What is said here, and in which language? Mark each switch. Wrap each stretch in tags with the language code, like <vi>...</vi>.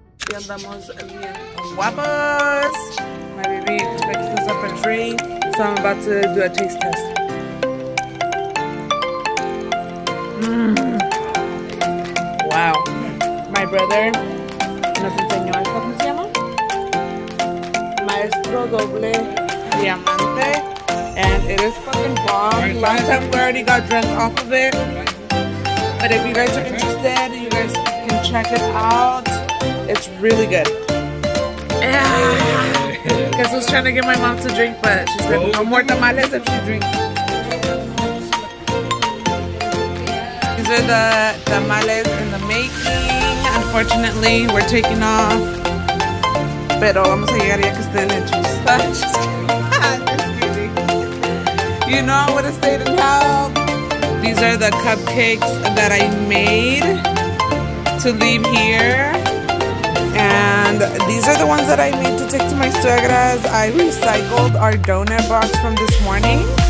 <es>Guapos!</es> <en>My baby picked us up a drink, so I'm about to do a taste test. Wow. My brother,</en> <es>nos enseñó esto, ¿cómo se llama?</es> <en>Maestro Doble Diamante. And it is fucking bomb. Last time we already got drunk off of it. But if you guys are interested, you guys can check it out. It's really good. Because I was trying to get my mom to drink, but she said no more tamales if she drinks. These are the tamales in the making. Unfortunately, we're taking off.</en> <es>Pero vamos a llegar ya que estén hechos.</es> <en>Just kidding. You know I would have stayed and helped. These are the cupcakes that I made to leave here. And these are the ones that I made to take to my suegra's. I recycled our donut box from this morning.</en>